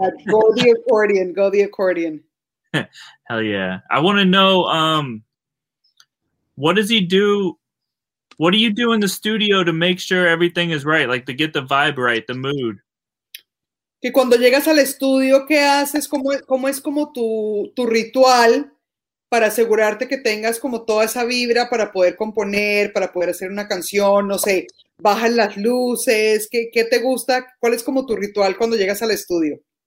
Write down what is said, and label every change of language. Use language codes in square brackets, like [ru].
[en] Go the accordion. Hell yeah. I want to know, what do you do in the studio to make sure everything is right, like to get the vibe right, the mood? [es] Que cuando llegas al estudio, ¿qué haces? ¿Cómo es como tu ritual para asegurarte que tengas como toda esa vibra para poder componer, para poder hacer una canción? No sé, ¿bajan las luces? ¿Qué te gusta? ¿Cuál es como tu ritual cuando llegas al estudio?